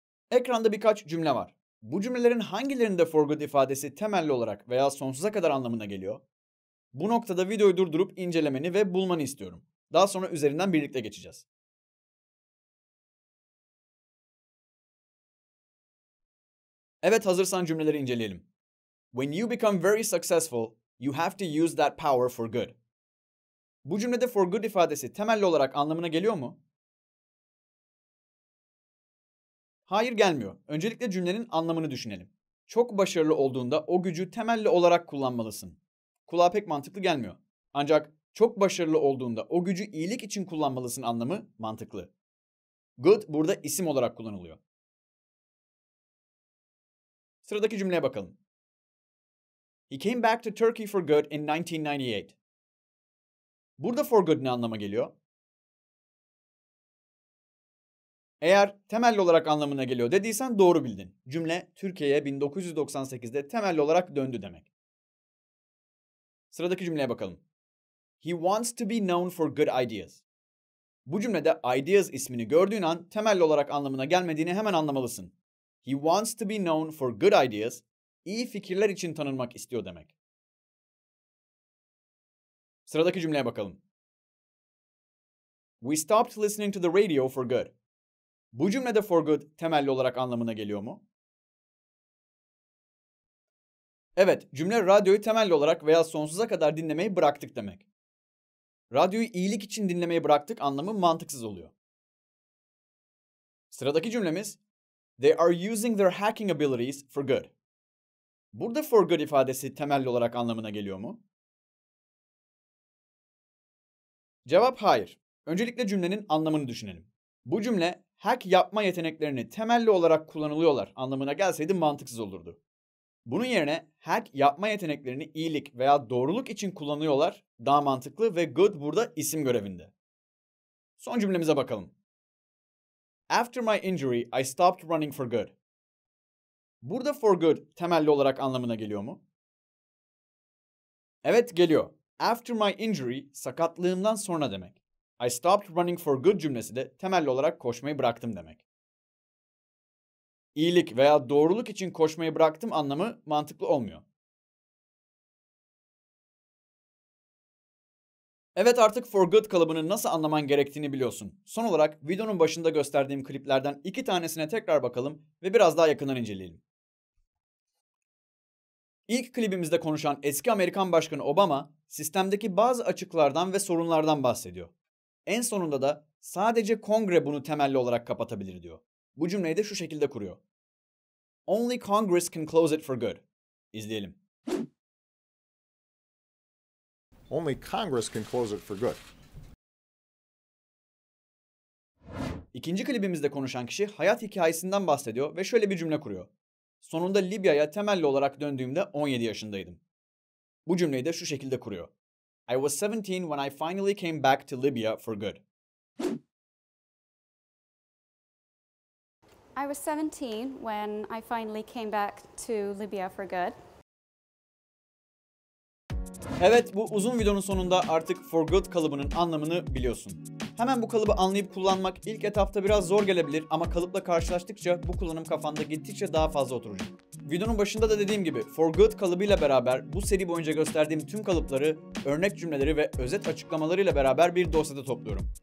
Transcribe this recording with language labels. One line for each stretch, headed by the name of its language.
Turkish: Ekranda birkaç cümle var. Bu cümlelerin hangilerinde for good ifadesi temelli olarak veya sonsuza kadar anlamına geliyor? Bu noktada videoyu durdurup incelemeni ve bulmanı istiyorum. Daha sonra üzerinden birlikte geçeceğiz. Evet, hazırsan cümleleri inceleyelim.
English: When you become very successful, you have to use that power for good.
Turkish: Bu cümlede for good ifadesi temelli olarak anlamına geliyor mu? Hayır, gelmiyor. Öncelikle cümlenin anlamını düşünelim. Çok başarılı olduğunda o gücü temelli olarak kullanmalısın. Kulağa pek mantıklı gelmiyor. Ancak çok başarılı olduğunda o gücü iyilik için kullanmalısın anlamı mantıklı. Good burada isim olarak kullanılıyor. Sıradaki cümleye bakalım.
English: He came back to Turkey for good in 1998.
Turkish: Burada for good ne anlama geliyor? Eğer temelli olarak anlamına geliyor dediysen doğru bildin. Cümle Türkiye'ye 1998'de temelli olarak döndü demek. Sıradaki cümleye bakalım.
English: He wants to be known for good ideas.
Turkish: Bu cümlede ideas ismini gördüğün an temelli olarak anlamına gelmediğini hemen anlamalısın.
English: He wants to be known for good ideas,
Turkish: iyi fikirler için tanınmak istiyor demek. Sıradaki cümleye bakalım.
English: We stopped listening to the radio for good.
Turkish: Bu cümlede for good temelli olarak anlamına geliyor mu? Evet, cümle radyoyu temelli olarak veya sonsuza kadar dinlemeyi bıraktık demek. Radyoyu iyilik için dinlemeyi bıraktık anlamı mantıksız oluyor. Sıradaki cümlemiz,
English: they are using their hacking abilities for good.
Turkish: Burada for good ifadesi temelli olarak anlamına geliyor mu? Cevap hayır. Öncelikle cümlenin anlamını düşünelim. Bu cümle, hack yapma yeteneklerini temelli olarak kullanılıyorlar anlamına gelseydi mantıksız olurdu. Bunun yerine hack yapma yeteneklerini iyilik veya doğruluk için kullanıyorlar daha mantıklı ve good burada isim görevinde. Son cümlemize bakalım.
English: After my injury, I stopped running for good.
Turkish: Burada for good temelli olarak anlamına geliyor mu? Evet, geliyor.
English: After my injury,
Turkish: sakatlığımdan sonra demek.
English: I stopped running for good
Turkish: cümlesi de temelli olarak koşmayı bıraktım demek. İyilik veya doğruluk için koşmayı bıraktım anlamı mantıklı olmuyor. Evet, artık for good kalıbını nasıl anlaman gerektiğini biliyorsun. Son olarak videonun başında gösterdiğim kliplerden iki tanesine tekrar bakalım ve biraz daha yakından inceleyelim. İlk klibimizde konuşan eski Amerikan Başkanı Obama, sistemdeki bazı açıklardan ve sorunlardan bahsediyor. En sonunda da sadece Kongre bunu temelli olarak kapatabilir diyor. Bu cümleyi de şu şekilde kuruyor.
English: Only Congress can close it for good.
Turkish: İzleyelim.
English: Only Congress can close it for good.
Turkish: İkinci klibimizde konuşan kişi hayat hikayesinden bahsediyor ve şöyle bir cümle kuruyor. Sonunda Libya'ya temelli olarak döndüğümde 17 yaşındaydım. Bu cümleyi de şu şekilde kuruyor.
English: I was 17 when I finally came back to Libya for good. I was 17 when I finally came back to Libya for good.
Turkish: Evet, bu uzun videonun sonunda artık for good kalıbının anlamını biliyorsun. Hemen bu kalıbı anlayıp kullanmak ilk etapta biraz zor gelebilir ama kalıpla karşılaştıkça bu kullanım kafanda gittikçe daha fazla oturacak. Videonun başında da dediğim gibi for good kalıbıyla beraber bu seri boyunca gösterdiğim tüm kalıpları, örnek cümleleri ve özet açıklamalarıyla beraber bir dosyada topluyorum.